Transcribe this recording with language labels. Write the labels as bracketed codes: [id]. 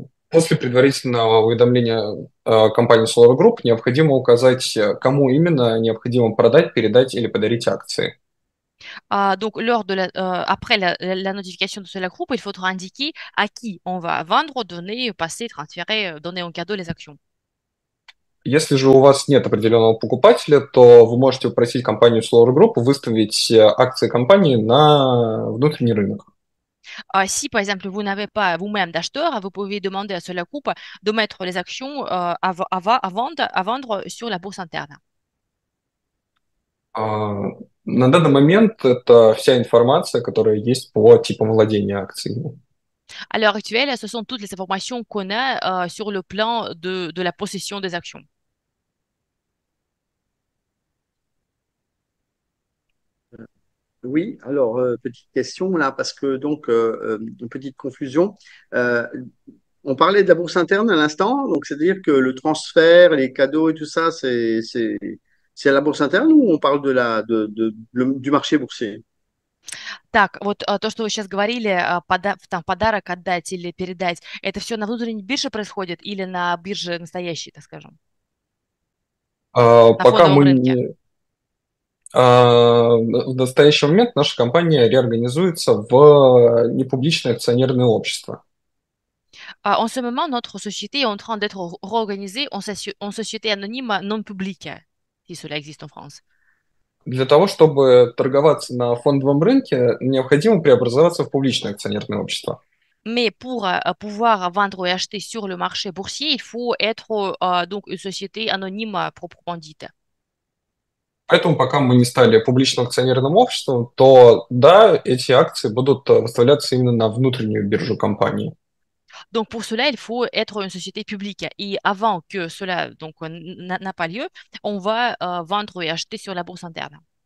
[ru] После предварительного уведомления компании Solar Group необходимо указать, кому именно необходимо продать, передать или подарить акции. [fr] Donc, après la notification de Solar Group, il faudra indiquer à qui on va vendre, donner, passer, transférer, donner en cadeau les actions. [ru] Если же у вас нет определенного покупателя, то вы можете попросить компанию Solar Group выставить акции компании на внутренний рынок. [fr] Si, par exemple, vous n'avez pas vous-même d'acheteur, vous pouvez demander à Solar Group de mettre les actions à vendre sur la bourse interne. [ru] На данный момент это вся информация, которая есть по типам владения акциями. [fr] À l'heure actuelle, ce sont toutes les informations qu'on a sur le plan de la possession des actions. Oui, alors petite question là, parce que donc une petite confusion. On parlait de la bourse interne à l'instant, donc c'est-à-dire que le transfert, les cadeaux et tout ça, c'est à la bourse interne ou on parle de la du marché boursier? [ru] Так, вот то, что вы сейчас говорили, там подарок отдать или передать, это все на внутренней бирже происходит или на бирже настоящей, так скажем, на Пока фондовом мы рынке? не... В настоящий момент наша компания реорганизуется в непубличное акционерное общество. [fr] En ce moment, notre société est en train d'être réorganisée en société anonyme non publique, si cela existe en France. [ru] Для того, чтобы торговаться на фондовом рынке, необходимо преобразоваться в публичное акционерное общество. [fr] Mais pour pouvoir vendre et acheter sur le marché boursier, il faut être donc une société anonyme proprement dite. [ru] Поэтому пока мы не стали публичным акционерным обществом, то да, эти акции будут выставляться именно на внутреннюю биржу компании. [fr] Donc pour cela, il faut être une société publique. Et avant que cela donc n'a pas lieu, on va vendre et acheter sur la bourse interne.